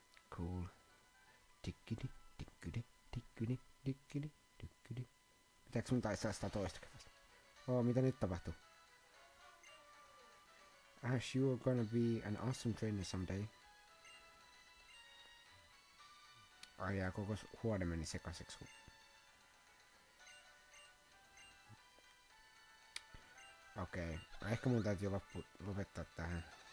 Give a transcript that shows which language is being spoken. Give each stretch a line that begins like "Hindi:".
Finnish: Cool. Tikkidi, tikkidi, tikkidi, tikkidi, tikkidi. Pitääks mun taistella sitä toista kerrasta? Oo, mitä nyt tapahtuu?
English: Ash, you are gonna be an awesome trainer someday.
Finnish: Ai jaa, koko huone meni sekaseks. Okei, okay. Ehkä mun täytyy lopettaa tähän.